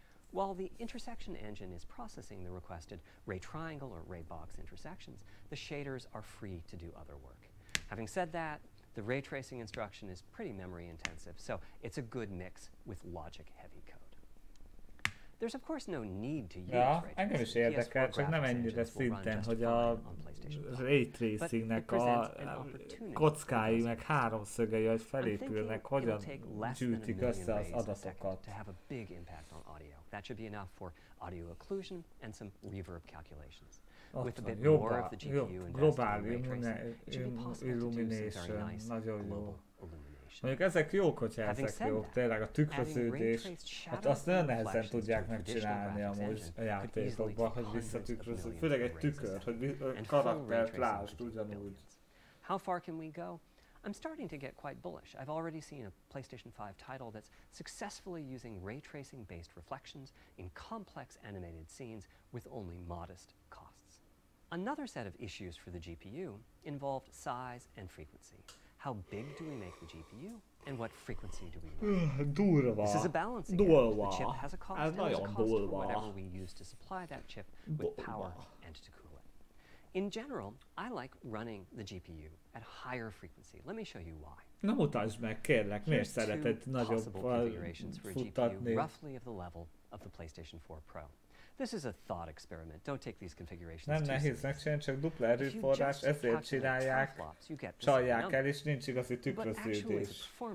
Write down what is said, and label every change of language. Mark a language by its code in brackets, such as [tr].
[en] While the intersection engine is processing the requested ray triangle or ray box intersections, the shaders are free to do other work. Having said that, the ray tracing instruction is pretty memory intensive, so it's a good mix with logic heavy code. There's of course no need to use ray tracing. [hu] Engem is érdekel, csak nem ennyire szinten, hogy a ray tracingnek a kockái meg háromszögei, hogy felépülnek, hogyan gyűjtik össze az adatokat. [en] To have a big impact on audio. That should be enough for audio occlusion and some reverb calculations. With a bit more of the GPU global illumination, [hu] nagyon jó. Mondjuk ezek jók, hogyha ezek jók, tényleg a tükröződés, hát azt nagyon nehezen tudják megcsinálni amúgy a játékokban, hogy visszatükrözzük, főleg egy tükör, hogy karaktert lásd ugyanúgy. [en] How far can we go? I'm starting to get quite bullish. I've already seen a PlayStation 5 title that's successfully using ray tracing-based reflections in complex animated scenes with only modest costs. Another set of issues for the GPU involved size and frequency. How big do we make the GPU, and what frequency do we need? [hu] Durva. [en] This is a balancing act. The chip has a cost, and there's a cost for whatever we use to supply that chip with power and to cool it. In general, I like running the GPU at higher frequency. Let me show you why. [hu] Na mutasd meg, kérlek, miért szereted nagyon futtatni. [en] Roughly of the level of the PlayStation 4 Pro. This is a thought experiment. Don't take these configurations too seriously. [hu] Nem nehéz megcsinálni, csak dupla erőforrás, ezért csinálják, csalják el, és nincs igazi tükröződés.